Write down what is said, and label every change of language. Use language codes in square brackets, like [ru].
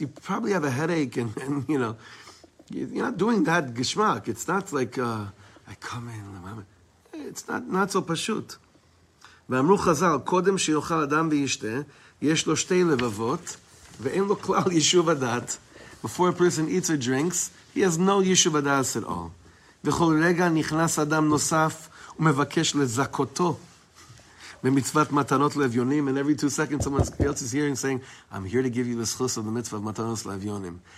[en] You probably have a headache, and you're not doing that geshmak. It's not like I come in. It's not so pashut. [he] ואמרו חזל, קודם שיוכל אדם וישתה, יש לו שתי לבבות, ואין לו כלל יישוב הדעת. [en] Before a person eats or drinks, he has no יישוב הדעת at all. [he] וכל רגע נכנס אדם נוסף, ומבקש לזכותו, במצוות מתנות לאביונים, [en] and every 2 seconds someone else is hearing saying, I'm here to give you the schus of the mitzvah of matanos laevyonim.